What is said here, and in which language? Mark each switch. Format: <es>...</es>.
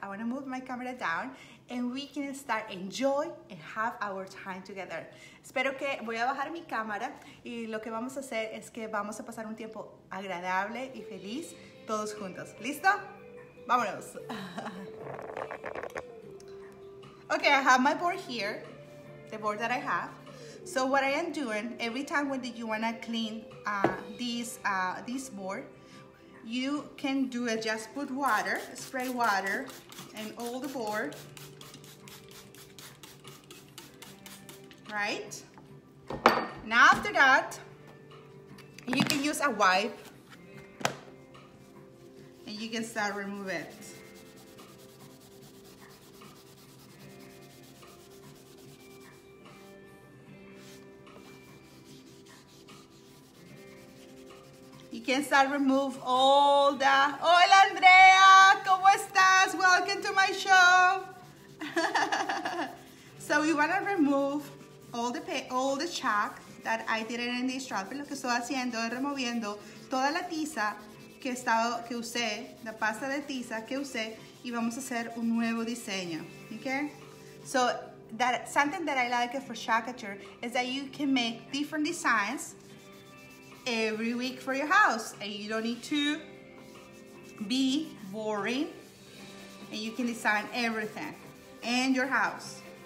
<en>I want to move my camera down and we can start, enjoy and have our time together.</en> <es>Espero que voy a bajar mi cámara y lo que vamos a hacer es que vamos a pasar un tiempo agradable y feliz todos juntos. ¿Listo? Vámonos.</es> <en>Okay, I have my board here, the board that I have. So what I am doing, every time when you want to clean this board, you can do it, just put water, spray water, and all the board, right? Now after that, you can use a wipe, and you can start removing it. Can start remove all the.</en> <es>Hola Andrea, ¿cómo estás?</es> <en>Welcome to my show. So we want to remove all the chalk that I did in this drop.</en> <es>Lo que estoy haciendo es removiendo toda la tiza que usé, la pasta de tiza que usé, y vamos a hacer un nuevo diseño.</es> <en>Okay? So that something that I like for couture is that you can make different designs every week for your house, and you don't need to be boring, and you can design everything and your house.</en>